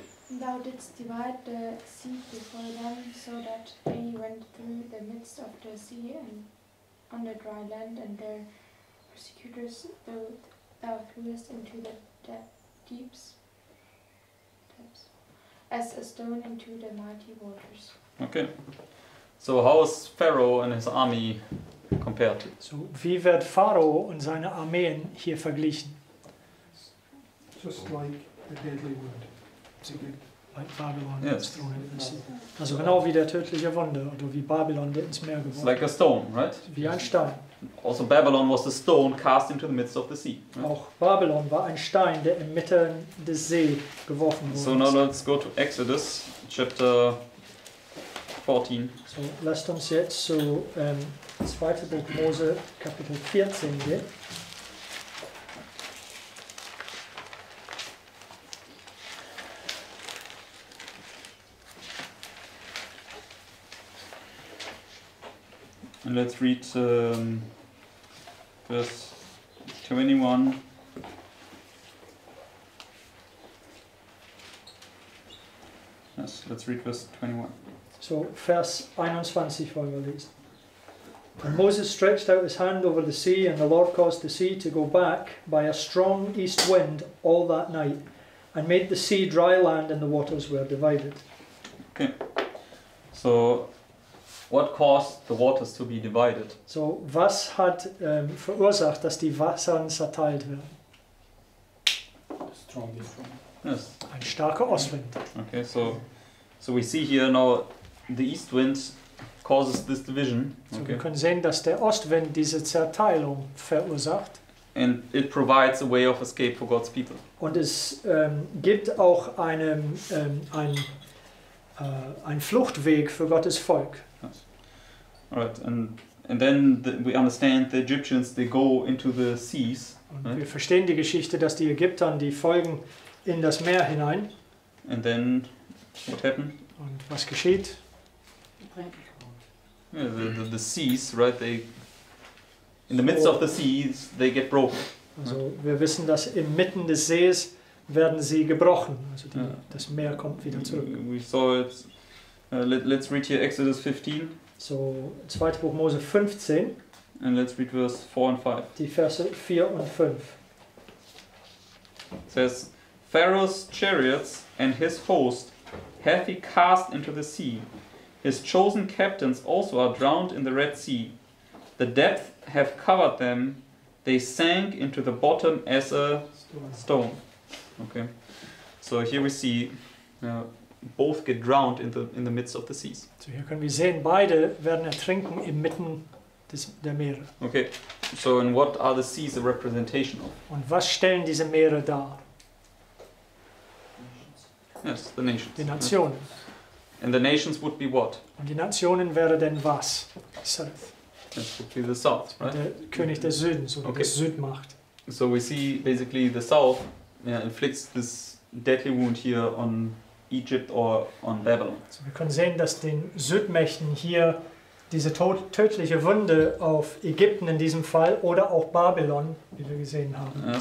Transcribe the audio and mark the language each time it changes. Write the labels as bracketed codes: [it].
[en] Thou didst divide the sea before them, so that they went through the midst of the sea and on the dry land, and their persecutors thou threwest into the deeps, as a stone into the mighty waters. Okay. So how is Pharaoh and his army compared? [de] So wie wird Pharao und seine Armeen hier verglichen? [en] Just like the deadly wound. Like Babylon, yes, thrown into the sea. [de] Also genau wie der tödliche Wunde oder wie Babylon, der ins Meer geworfen. [en] Like a stone, right? [de] Wie ein Stein. [en] Also Babylon was a stone cast into the midst of the sea. Right? [de] Auch Babylon war ein Stein, der im Mitteln des See geworfen wurde. [en] So now let's go to Exodus chapter 14. [de] So, lasst uns jetzt zu zweite Buch Mose, Kapitel 14 gehen. [en] And let's read verse 21. Yes, let's read verse 21. [de] So, verse 21 wollen wir lesen. [en] And Moses stretched out his hand over the sea, and the Lord caused the sea to go back by a strong east wind all that night, and made the sea dry land, and the waters were divided. Okay. So, what caused the waters to be divided? [de] So, was hat verursacht, dass die Wasser zerteilt werden? [en] Strong east wind. Yes. [de] Ein starker Ostwind. [en] Okay, so we see here now the east wind causes this division. So okay. [de] Wir können sehen, dass der Ostwind diese Zerteilung verursacht. [en] And it provides a way of escape for God's people. [de] Und es gibt auch ein Fluchtweg für Gottes Volk. [en] Yes. All right, and then we understand the Egyptians, they go into the seas. [de] Und right? Wir verstehen die Geschichte, dass die Ägypter die folgen in das Meer hinein. [en] And then what happened? [de] Und was geschieht? [en] Yeah, the seas, right? They in the midst of the seas they get broken. [de] Also wir wissen, dass inmitten des Sees werden sie gebrochen. Also das Meer kommt wieder zurück. [en] We saw it. Let's read here Exodus 15. [de] So 2. Buch Mose 15. [en] And let's read verse 4 and 5. [de] Die Verse 4 und 5. [en] It says, Pharaoh's chariots and his host hath he cast into the sea. His chosen captains also are drowned in the Red Sea. The depth have covered them. They sank into the bottom as a stone. Okay. So here we see both get drowned in the midst of the seas. So here can we see [de] beide werden ertrinken inmitten der Meere. [en] Okay. So and what are the seas a representation of? [de] Und was stellen diese Meere dar? [en] Yes, the nations. [de] Die Nationen. [en] And the nations would be what? [de] Und die Nationen wäre denn was? South. [en] That would be the south, right? [de] Der König des Südens oder okay. Der Südmacht. [en] So we see basically the south inflicts this deadly wound here on Egypt or on Babylon. [de] So wir können sehen, dass den Südmächten hier diese tödliche Wunde auf Ägypten in diesem Fall oder auch Babylon, wie wir gesehen haben.